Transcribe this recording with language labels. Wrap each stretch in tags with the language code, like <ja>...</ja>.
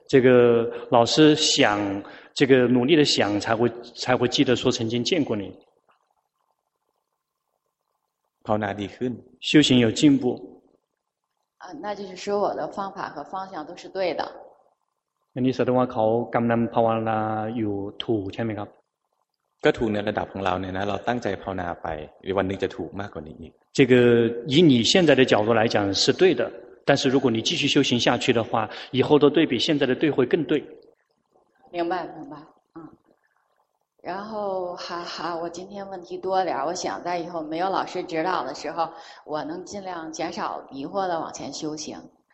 <zh>这个老师想，这个努力的想，才会记得说曾经见过你。</zh> <th>ภาวนาดีขึ้น。</th> <zh>修行有进步。那就是说我的方法和方向都是对的。</zh> <th>อันนี้แสดงว่าเขากำลังภาวนาอยู่ถูกใช่ไหมครับ ก็ถูกในระดับของเราเนี่ยนะเราตั้งใจภาวนาไปวันหนึ่งจะถูกมากกว่านี้อีก</th> <zh>这个以你现在的角度来讲是对的，但是如果你继续修行下去的话，以后的对比现在的对会更对。明白，明白，嗯。然后，哈哈，我今天问题多点，我想在以后没有老师指导的时候，我能尽量减少疑惑的往前修行。</zh>